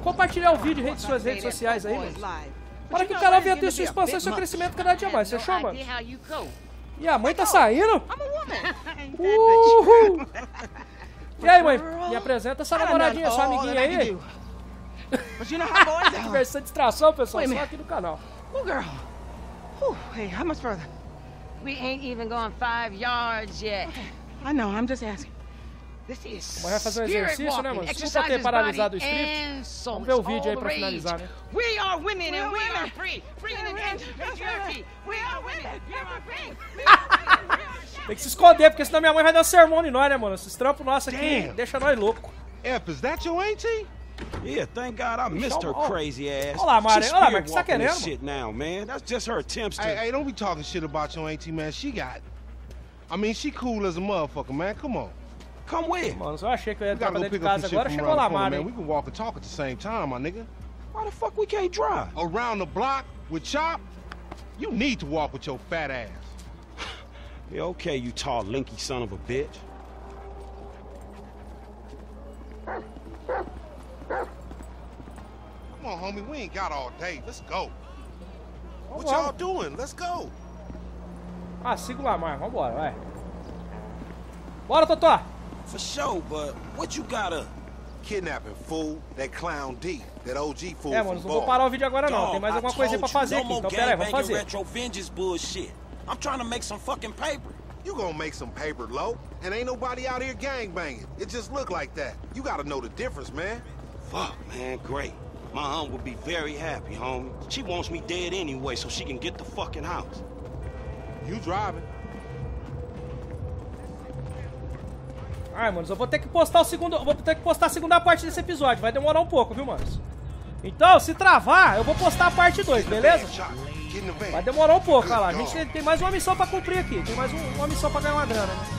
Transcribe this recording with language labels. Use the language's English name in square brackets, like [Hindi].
[Portuguese] Compartilhar o vídeo em suas redes sociais aí, mano. Para que o canal venha ter sua expansão e seu crescimento cada dia mais. Fechou, mano? E a mãe tá saindo? Uhul! E aí, mãe? Me apresenta essa namoradinha, sua amiguinha aí. Conversa de distração, pessoal. Só aqui no canal. [English] Oh, girl. Hey, how much further? We ain't even gone 5 yards yet. Okay. I know, I'm just asking. This is spirit walking. [Portuguese] Vamos fazer um exercício, né, mano? Só ter paralisado o script. Vamos ver o vídeo aí pra finalizar, né? [English] We are women and we are free. Free in the nation of purity. We are women. We are free. [Portuguese] Tem que se esconder, porque senão minha mãe vai dar um sermão em nós, né, mano? Esses trampos nossos aqui deixa nós louco. [English] Ep, is that your auntie? Yeah, thank God I missed her crazy ass. [Portuguese] Olá, Mari. Olá, Mari. Que saca é nela? [English] Shit now, man. That's just her attempts to. Hey, don't be talking shit about your auntie, man. She got. I mean, she cool as a motherfucker, man. Come on. Come with. [Portuguese] Mano, só achei que eu ia entrar pra dentro de casa agora, chegou lá, mano. [English] We can walk and talk at the same time, my nigga. Why the fuck we can't drive? Around the block with Chop? You need to walk with your fat ass. Yeah, okay, you tall, linky son of a bitch. Come on, homie, we ain't got all day. Let's go. What y'all doing? Let's go. [Portuguese] Ah, sigo lá, mano. Vambora, vai. Bora, Totó. [English] For sure, but what you got up? Kidnapping, fool. That clown D. That OG fool. [Portuguese] É, mano, não vou parar o vídeo agora, não. Tem mais alguma coisinha pra fazer aqui. Então, pera aí, vamos fazer. [English] Retro Vengeance bullshit. I'm trying to make some fucking paper. You gonna make some paper, low? And ain't nobody out here gangbanging. It just look like that. You gotta know the difference, man. Fuck, man, great. My aunt would be very happy, homie. She wants me dead anyway so she can get the fucking house. You driving. [Portuguese] Ai, mano, eu vou ter que postar o segundo. Vou ter que postar a segunda parte desse episódio. Vai demorar um pouco, viu, mano? Então, se travar, eu vou postar a parte 2, beleza? Vai demorar um pouco, olha lá. A gente tem mais uma missão pra cumprir aqui. Tem mais uma missão pra ganhar uma grana.